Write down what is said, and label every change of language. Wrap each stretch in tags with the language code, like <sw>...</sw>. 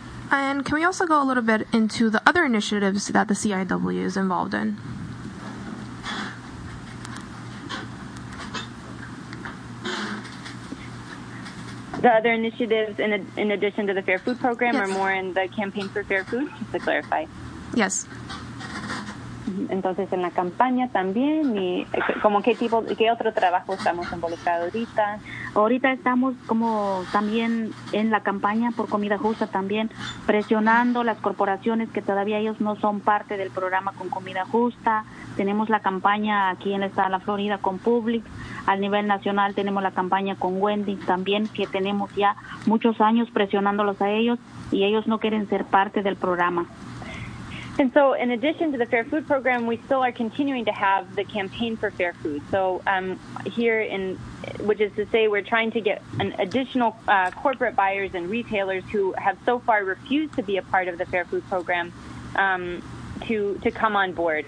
<en>And can we also go a little bit into the other initiatives that the CIW is involved in? The other initiatives in addition to the Fair Food Program are more in the Campaign for Fair Food, just to clarify. Yes.</en> <es>Entonces, en la campaña también, y como qué tipo, qué otro trabajo estamos involucrados ahorita. Ahorita estamos como también en la campaña por comida justa también, presionando las corporaciones que todavía ellos no son parte del programa con comida justa. Tenemos la campaña aquí en el estado de la Florida con Publix. A nivel nacional tenemos la campaña con Wendy's también, que tenemos ya muchos años presionándolos a ellos, y ellos no quieren ser parte del programa.</es> <en>And so in addition to the Fair Food Program, we still are continuing to have the Campaign for Fair Food. So which is to say we're trying to get an additional corporate buyers and retailers who have so far refused to be a part of the Fair Food Program to come on board.</en>